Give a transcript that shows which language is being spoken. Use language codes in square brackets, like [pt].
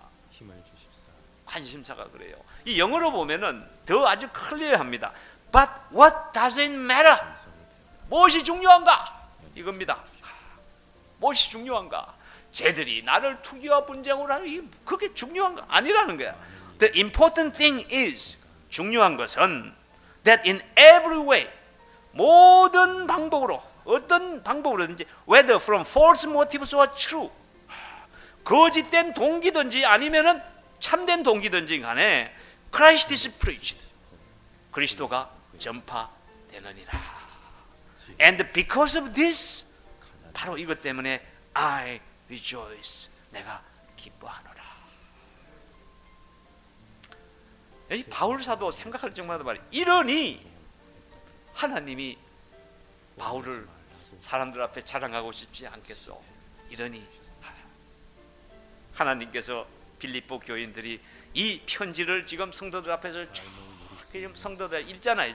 [ko] 힘을 주십사. 관심사가 그래요. 이 영어로 보면은 더 아주 클리어합니다. [en] But what does it matter? [ko] 무엇이 중요한가? 이겁니다. 무엇이 중요한가? 쟤들이 나를 투기와 분쟁으로 하는 게 그게 중요한가? 아니라는 거야. [en] The important thing is, [ko] 중요한 것은 [en] that in every way, [ko] 모든 방법으로 어떤 방법으로든지 [en] whether from false motives or true, [ko] 거짓된 동기든지 아니면은 참된 동기든지 간에 [en] Christ is preached, [ko] 그리스도가 전파되느니라. [en] And because of this, [ko] 바로 이것 때문에 [en] I rejoice, [ko] 내가 기뻐하노라. 이 바울사도 생각할 정도로 말이야. 이러니 하나님이 바울을 사람들 앞에 자랑하고 싶지 않겠소. 이러니 하나님께서 빌립보 교인들이 이 편지를 지금 성도들 앞에서 지금 성도들 읽잖아요.